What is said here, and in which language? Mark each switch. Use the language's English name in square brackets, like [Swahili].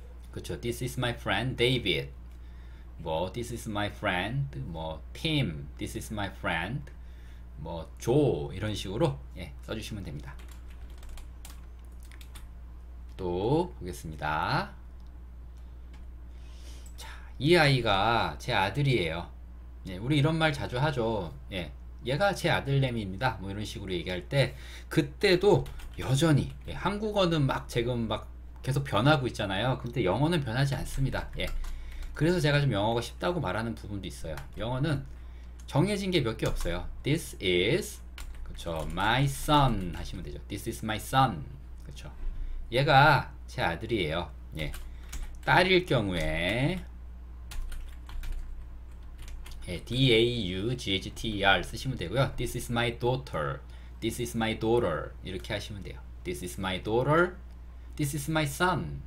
[Korean] 그쵸? [English] This is my friend David. 뭐 this is my friend 뭐 Tim. This is my friend [Korean] 뭐 Joe 이런 식으로 예, 써주시면 됩니다. 또 보겠습니다. 이 아이가 제 아들이에요. 예, 우리 이런 말 자주 하죠. 예, 얘가 제 아들내미입니다. 뭐 이런 식으로 얘기할 때, 그때도 여전히, 예, 한국어는 막 지금 막 계속 변하고 있잖아요. 근데 영어는 변하지 않습니다. 예. 그래서 제가 좀 영어가 쉽다고 말하는 부분도 있어요. 영어는 정해진 게몇개 없어요. [English] This is, 그쵸, my son 하시면 되죠. This is my son. [Korean] 그쵸. 얘가 제 아들이에요. 예. 딸일 경우에, 예, DAUGHTER 쓰시면 되고요. [English] This is my daughter. This is my daughter. [Korean] 이렇게 하시면 돼요. [English] This is my daughter. This is my son.